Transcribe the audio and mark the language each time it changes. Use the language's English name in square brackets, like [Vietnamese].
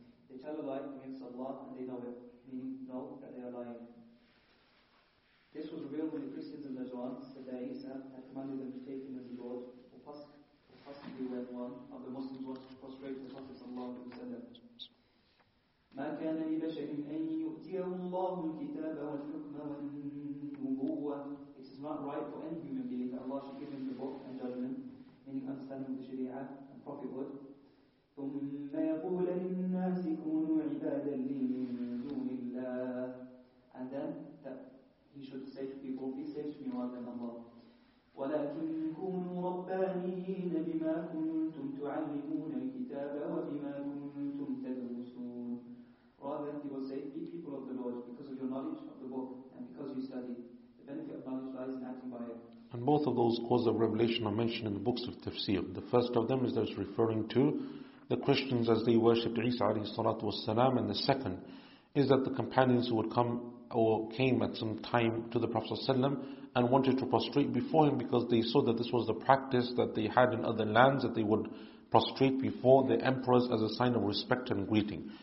[English] They tell a lie against Allah, and they know it, meaning know that they are lying. This was revealed when the Christians and the Najran said that Isa had commanded them to take him as a Lord, or possibly when one of the Muslims was prostrate to the Prophet sallallahu alayhi wa sallam. [Arabic] ما كان لبشر أن يؤتيه الله الكتاب والحكم والنبوة. [English] It is not right for any human being that Allah should give him the book and judgment, meaning understanding of the Sharia and prophethood. [Arabic] ثم يقول للناس كونوا عبادا لي من دون الله. [English] And then that he should say to people, be saved to me rather than Allah. [Arabic] ولكن كونوا ربانيين بما كنتم تعلمون الكتاب وبما كنتم تدرسون. [English] Rather, he will say, be people of the Lord because of your knowledge of the book and because you study. The benefit of knowledge lies in acting by it. And both of those causes of revelation are mentioned in the books of Tafsir. The first of them is those referring to the Christians as they worshipped Isa alayhi salatu wassalam, and the second is that the companions who would come or came at some time to the Prophet sallallahu alayhi wa sallam and wanted to prostrate before him because they saw that this was the practice that they had in other lands, that they would prostrate before the emperors as a sign of respect and greeting.